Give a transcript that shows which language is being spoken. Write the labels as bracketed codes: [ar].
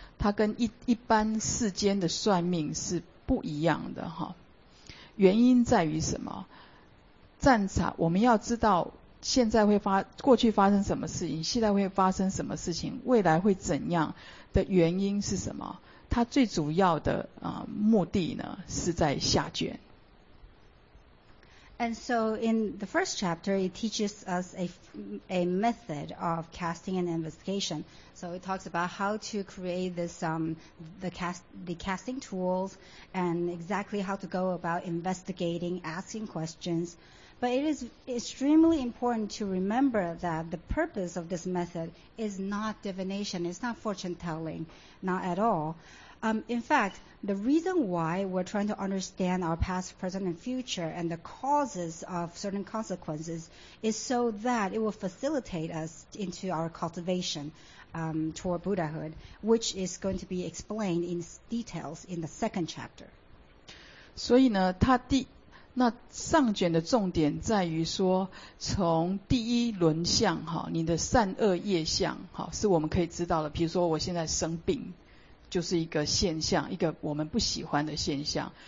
[zh] 它跟一般世间的算命是不一样的哈，原因在于什么？暂察，我们要知道现在会发，过去发生什么事情，现在会发生什么事情，未来会怎样的原因是什么？它最主要的目的呢，是在下卷。 [en] And so in the first chapter, it teaches us a method of casting an investigation. So it talks about how to create this, the casting tools and exactly how to go about investigating, asking questions. But it is extremely important to remember that the purpose of this method is not divination. It's not fortune telling, not at all. In fact, the reason why we're trying to understand our past, present, and future and the causes of certain consequences is so that it will facilitate us into our cultivation toward Buddhahood, which is going to be explained in details in the second chapter. [zh] 所以呢，它第那上卷的重点在于说，从第一轮相哈，你的善恶业相哈，是我们可以知道的。比如说，我现在生病。就是一个现象，一个我们不喜欢的现象。